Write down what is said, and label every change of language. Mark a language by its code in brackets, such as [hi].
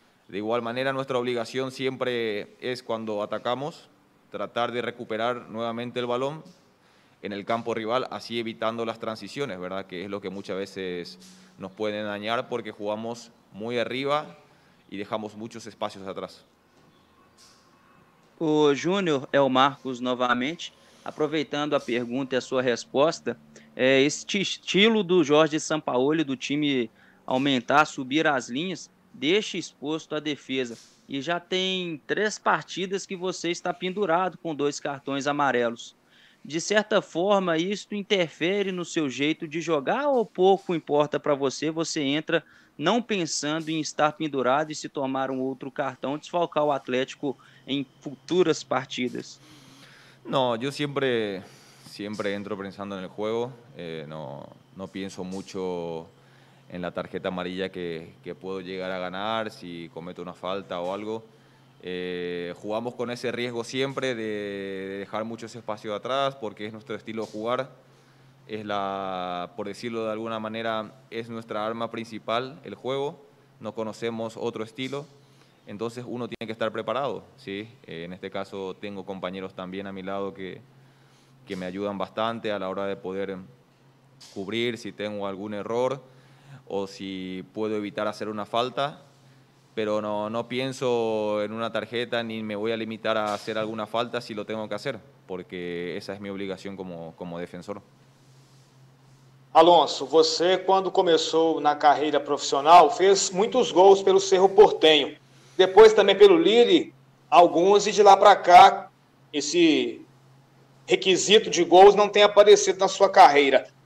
[es] De igual manera, nuestra obligación siempre es, cuando atacamos, tratar de recuperar nuevamente el balón en el campo rival, así evitando las transiciones, ¿verdad? Que es lo que muchas veces nos pueden dañar porque jugamos muy arriba [pt] e deixamos muitos espaços atrás. O Júnior, é o Marcos novamente, aproveitando a pergunta e a sua resposta, esse estilo do Jorge Sampaoli, do time aumentar, subir as linhas, deixa exposto a defesa. E já tem 3 partidas que você está pendurado com 2 cartões amarelos. De certa forma, isso interfere no seu jeito de jogar ou pouco importa para você? Você entra não pensando em estar pendurado e se tomar um outro cartão, desfalcar o Atlético em futuras partidas? Não, eu sempre entro pensando no jogo. Não penso muito em [es] la tarjeta amarilla que puedo llegar a ganar, [pt] se cometo uma falta ou algo. [es] Jugamos con ese riesgo siempre de dejar mucho ese espacio atrás porque es nuestro estilo de jugar, es la, por decirlo de alguna manera, es nuestra arma principal, el juego, no conocemos otro estilo, entonces uno tiene que estar preparado, ¿sí? En este caso tengo compañeros también a mi lado que me ayudan bastante a la hora de poder cubrir si tengo algún error o si puedo evitar hacer una falta. Pero no pienso en una tarjeta ni me voy a limitar a hacer alguna falta si lo tengo que hacer, porque esa es mi obligación como defensor. [pt] Alonso, você, quando começou na carreira profissional, fez muitos gols pelo Cerro Porteño, depois também pelo Lille, alguns, e de lá para cá, esse requisito de gols não tem aparecido na sua carreira.